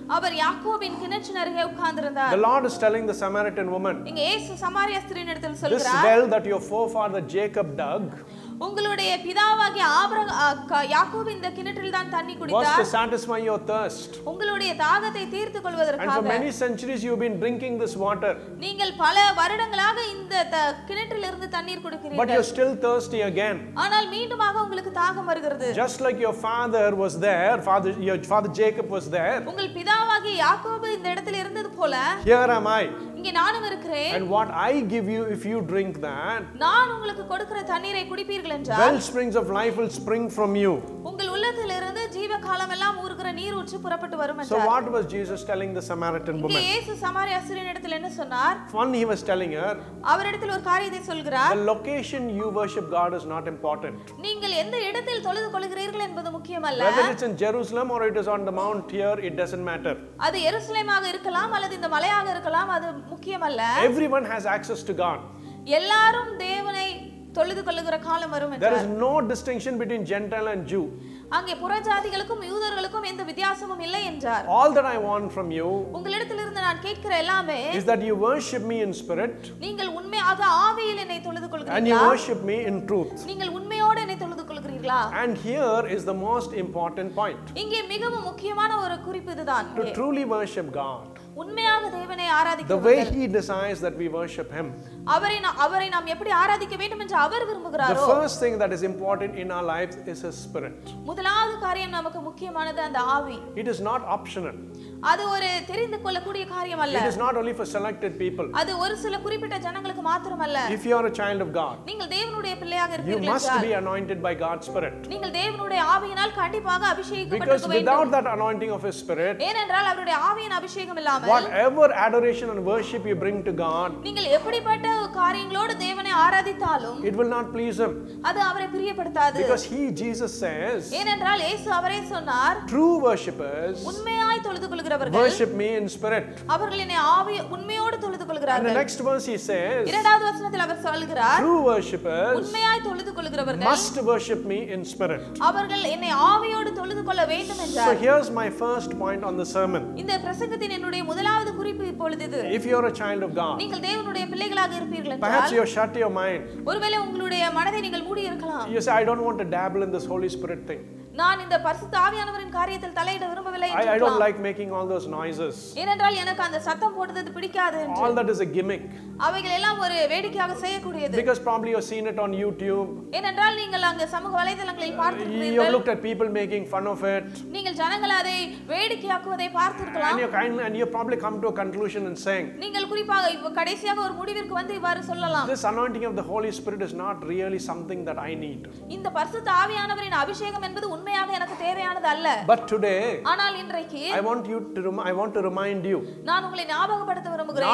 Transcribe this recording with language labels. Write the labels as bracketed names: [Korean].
[English] The Lord is telling the Samaritan woman, this well that your forefather Jacob dug, [Tamil] உங்களுடைய பிதாவாகிய Abraham இந்த கிணற்றில் தான் தண்ணி குடித்தார். [English] Was to satisfy your thirst. [Tamil] உங்களுடைய தாகத்தை தீர்த்து கொள்வதற்காக. [English] And for many centuries you've been drinking this water. [Tamil] நீங்கள் பல வருடங்களாக இந்த கிணற்றிலிருந்து தண்ணீர் குடிக்கிறீர்கள். [English] But you're still thirsty again. [Tamil] ஆனால் மீண்டுமாக உங்களுக்கு தாகம் வருகிறது. [English] Just like your father was there, your father Jacob was there. [Tamil] உங்கள் பிதாவாகிய யாக்கோபு இந்த இடத்தில் இருந்தது போல. [English] Here am I. [Tamil] இங்கே நானும் இருக்கிறேன். [English] And what I give you if you drink that. [Tamil] நான் உங்களுக்கு கொடுக்கிற தண்ணீரை குடிப்பீர்கள். [English] Well springs of life will spring from you. [Tamil] உங்கள் உள்ளத்திலிருந்து ஜீவ காலம் எல்லாம் ஊறுகிற நீர் ஊற்றி புறப்பட்டு வரும் என்றார். [English] So what was Jesus telling the Samaritan woman? [Tamil] இங்கே இயேசு சமாரி அசரியனிடத்தில் என்ன சொன்னார்? [English] One he was telling her. [Tamil] அவரிடத்தில் ஒரு காரியத்தை சொல்கிறார். [English] The location you worship God is not important. [Tamil] நீங்கள் எந்த இடத்தில் தொழுது கொள்கிறீர்கள் என்பது முக்கியமல்ல. [English] Whether it's in Jerusalem or it is on the mount here, it doesn't matter. [Tamil] அது எருசலேமாக இருக்கலாம் அல்லது இந்த மலையாக இருக்கலாம் அது முக்கியமல்ல. [English] Everyone has access to God. [Tamil] எல்லாரும் தேவனை தொழுது கொள்ளுகிற காலம் வரும் என்றார். [English] There is no distinction between Gentile and Jew. [Tamil] அங்கே புறஜாதிகளுக்கும் யூதர்களுக்கும் எந்த வித்தியாசமும் இல்லை என்றார். [English] All that I want from you. [Tamil] உங்களிடத்திலிருந்து நான் கேட்கிற எல்லாமே [English] is that you worship me in spirit. [Tamil] நீங்கள் உண்மையாக ஆவியில் என்னை தொழுது கொள்கிறீர்களா? [English] And you worship me in truth. [Tamil] நீங்கள் உண்மையோடு என்னை தொழுது கொள்கிறீர்களா? [English] And here is the most important point. [Tamil] இங்கே மிகவும் முக்கியமான ஒரு குறிப்பு இதுதான். [English] To truly worship God. [Tamil] உண்மையாக தேவனை ஆராதிக்க [English] The way he desires that we worship him. [Tamil] அவரை நாம் எப்படி ஆராதிக்க வேண்டும் என்று அவர் விரும்புகிறாரோ. [English] The first thing that is important in our lives is his spirit. [Tamil] முதலாவது காரியம் நமக்கு முக்கியமானது அந்த ஆவி. [English] It is not optional. [Tamil] அது ஒரு தெரிந்து கொள்ளக்கூடிய காரியம் அல்ல. [English] It is not only for selected people. [Tamil] அது ஒரு சில குறிப்பிட்ட ஜனங்களுக்கு மட்டும் அல்ல. [English] If you are a child of God. [Tamil] நீங்கள் தேவனுடைய பிள்ளையாக இருக்கிறீர்கள் என்றால் [English] you must be anointed by God's spirit. [Tamil] நீங்கள் தேவனுடைய ஆவியினால் கண்டிப்பாக அபிஷேகிக்கப்பட வேண்டும். [English] Because without that anointing of his spirit. [Tamil] ஏனென்றால் அவருடைய ஆவியின் அபிஷேகம் இல்லாமல் [English] whatever adoration and worship you bring to God. [Tamil] நீங்கள் எப்படிப்பட்ட காரியங்களோடு தேவனை ஆராதித்தாலும் [English] it will not please him. [Tamil] அது அவரை பிரியப்படுத்தாது. [English] Because he Jesus says. [Tamil] ஏனென்றால் இயேசு அவரே சொன்னார். [English] True worshipers. [Tamil] உண்மையாய் தொழுது [English] Worship me in spirit. [Tamil] அவர்கள் என்னை ஆவி உண்மையோடு தொழுது கொள்கிறார்கள். [English] And the next verse he says. [Tamil] இரண்டாவது வசனத்தில் அவர் சொல்கிறார். [English] True worshippers. [Tamil] உண்மையாய் தொழுது கொள்கிறவர்கள். [English] Must worship me in spirit. [Tamil] அவர்கள் என்னை ஆவியோடு தொழுது கொள்ள வேண்டும் என்றார். [English] So here's my first point on the sermon. [Tamil] இந்த பிரசங்கத்தின் என்னுடைய முதலாவது குறிப்பு இப்பொழுது இது. [English] If you are a child of God. [Tamil] நீங்கள் தேவனுடைய பிள்ளைகளாக இருப்பீர்கள் என்றால். [English] Perhaps you have shut your mind. [Tamil] ஒருவேளை உங்களுடைய மனதை நீங்கள் மூடி இருக்கலாம். [English] You say I don't want to dabble in this Holy Spirit thing. [Tamil] நான் இந்த பரிசுத்த ஆவியானவரின் காரியத்தில் தலையிட விரும்பவில்லை. [English] I don't like making all those noises. [Tamil] ஏனென்றால் எனக்கு அந்த சத்தம் போடுறது பிடிக்காது என்று. [English] All that is a gimmick. [Tamil] அவைகள் எல்லாம் ஒரு வேடிக்கையாக செய்யக்கூடியது. [English] Because probably you've seen it on YouTube. [Tamil] ஏனென்றால் நீங்கள் அங்க சமூக வலைதளங்களில் பார்த்திருக்கிறீர்கள். [English] You looked at people making fun of it. [Tamil] நீங்கள் ஜனங்கள் அதை வேடிக்கையாக்குவதை பார்த்திருக்கலாம். [English] And you probably come to a conclusion and saying. [Tamil] நீங்கள் குறிப்பாக கடைசியாக ஒரு முடிவிற்கு வந்து இவ்வாறு சொல்லலாம். [English] This anointing of the Holy Spirit is not really something that I need. [Tamil] இந்த பரிசுத்த ஆவியானவரின் அபிஷேகம் என்பது உண்மையாக எனக்கு தேவையானது அல்ல. [English] But today [Tamil] ஆனால் இன்றைக்கு [English] I want to remind you. [Tamil] நான் உங்களை ஞாபகப்படுத்த விரும்புகிறேன்.